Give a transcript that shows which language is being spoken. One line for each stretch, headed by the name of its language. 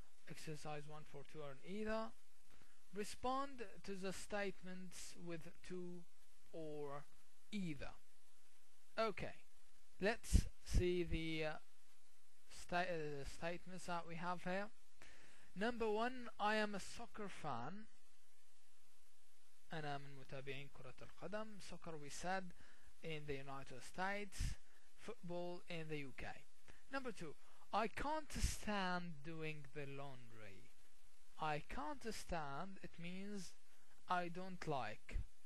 English: Exercise one for to and either. Respond to the statements with to or either. Okay, let's see the statements that we have here. Number one, I am a soccer fan.
Arabic: أنا من متابعين كرة القدم.
English: Soccer, we said, in the United States. Football, in the UK. Number two, I can't stand doing the laundry. I can't stand, it means I don't like.